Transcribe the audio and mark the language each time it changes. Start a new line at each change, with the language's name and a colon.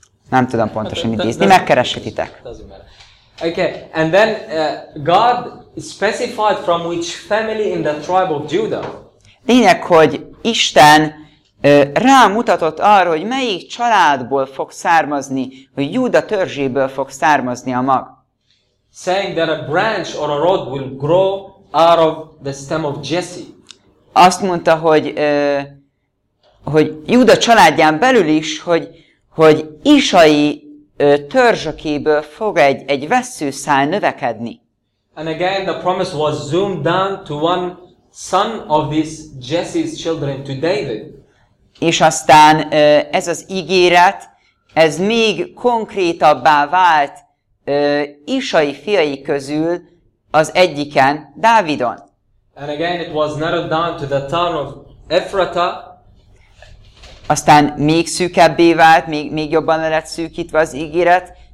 Hungarian: nem tudom pontosan idézni, megkeressetitek.
English: Okay, and then God specified from which family in the tribe of Judah.
Hungarian: Lényeg, hogy Isten rámutatott arra, hogy melyik családból fog származni, hogy Júda törzséből fog származni a mag.
English: Saying that a branch or a rod will grow out of the stem of Jesse.
Hungarian: Azt mondta, hogy hogy Júda családján belül is, hogy Isai törzsökéből fog egy vesszőszál növekedni.
English: And again the promise was zoomed down to one son of this Jesse's children, to David.
Hungarian: És aztán ez az ígéret, ez még konkrétabbá vált Isai fiai közül az egyiken, Dávidon.
English: And again it was narrowed down to the town of Ephratah.
Hungarian: Aztán még szűkebbé vált, még jobban lett szűkítve az ígéret.